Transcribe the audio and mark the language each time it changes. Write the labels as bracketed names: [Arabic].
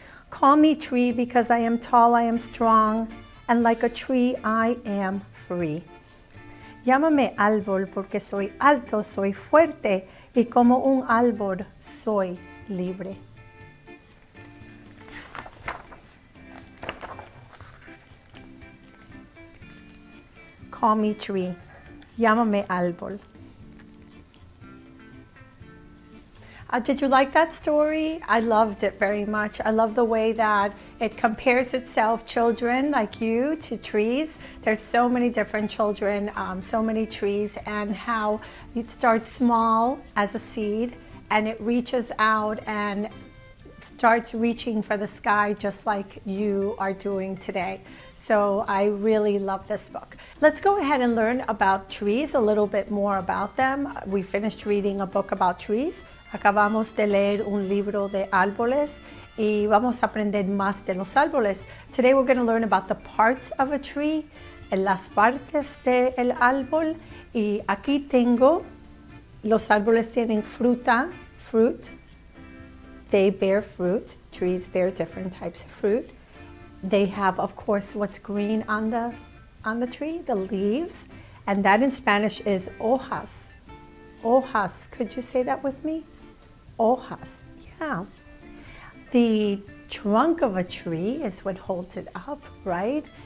[English] Call me tree because I am tall, I am strong. and like a tree, I am free. [Spanish] Llámame árbol porque soy alto, soy fuerte, y como un árbol soy libre. [English] Call me tree. [Spanish] Llámame árbol. [English] Did you like that story? I loved it very much. I love the way that it compares itself, children like you, to trees. There's so many different children, so many trees, and how it starts small as a seed and it reaches out and starts reaching for the sky just like you are doing today. So I really love this book. Let's go ahead and learn about trees, a little bit more about them. We finished reading a book about trees. [Spanish] Acabamos de leer un libro de árboles y vamos a aprender más de los árboles. [English] Today we're going to learn about the parts of a tree, [Spanish] las partes del árbol. Y aquí tengo, los árboles tienen fruta, fruit. [English] They bear fruit. Trees bear different types of fruit. They have, of course, what's green on the tree, the leaves. And that in Spanish is hojas. Hojas. Could you say that with me? Hojas, yeah. The trunk of a tree is what holds it up, right?